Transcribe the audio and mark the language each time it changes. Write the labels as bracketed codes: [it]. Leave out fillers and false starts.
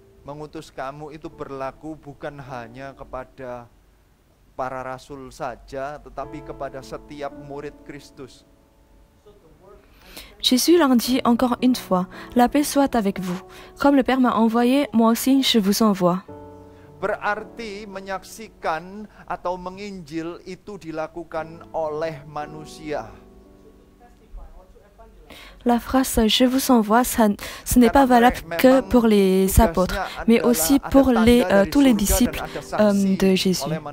[id] mengutus kamu itu berlaku bukan hanya kepada para rasul saja, tetapi kepada setiap murid Kristus. [fr] Jésus leur dit encore une fois, la paix soit avec vous. Comme le Père m'a envoyé, moi aussi je vous envoie. [id] Berarti menyaksikan atau menginjil itu dilakukan oleh manusia. [fr] La phrase « Je vous envoie », ce n'est pas valable que pour les apôtres, mais aussi pour tous les disciples de Jésus.